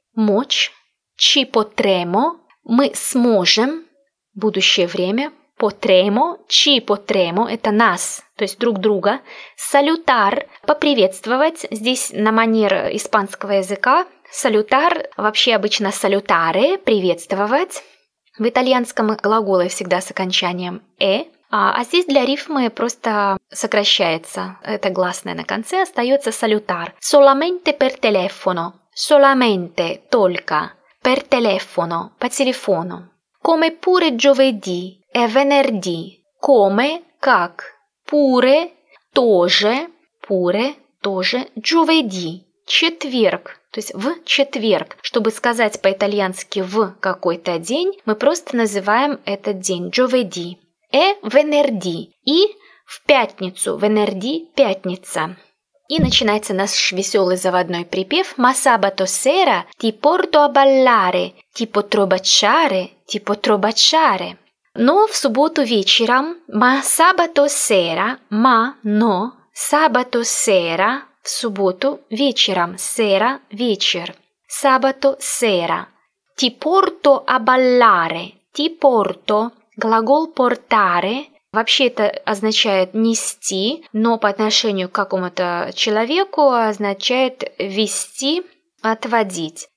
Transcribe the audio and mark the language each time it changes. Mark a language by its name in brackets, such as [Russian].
[Russian] Мочь, ci potremo, мы сможем, будущее время, potremo, ci potremo, это нас, то есть друг друга, salutar, поприветствовать, здесь на манер испанского языка, salutar, вообще обычно salutare, приветствовать, в итальянском глаголе всегда с окончанием e, а здесь для рифмы просто сокращается, это гласное на конце, остается salutar, [Italian] solamente per telefono. Solamente, только, per telefono, [Russian] по телефону. [Italian] Come pure giovedì e venerdì. [Russian] Come, как, pure, тоже, pure, тоже, giovedì, четверг. То есть в четверг. Чтобы сказать по-итальянски в какой-то день, мы просто называем этот день giovedì. [Italian] E venerdì. [Russian] И в пятницу, venerdì, пятница. И начинается наш веселый заводной припев [Italian] «Ma sabato sera ti porto a ballare, ti potrò baciare, [Russian] ti potrò baciare». Но в субботу вечером [Italian] «Ma sabato sera», [Russian] «Ma», «Но», «Sabato sera», в субботу вечером, «Sera», вечер, «Sabato sera», [Italian] «Ti porto a ballare», [Russian] «Ti porto», глагол «portare», вообще это означает нести, но по отношению к какому-то человеку означает вести, отводить.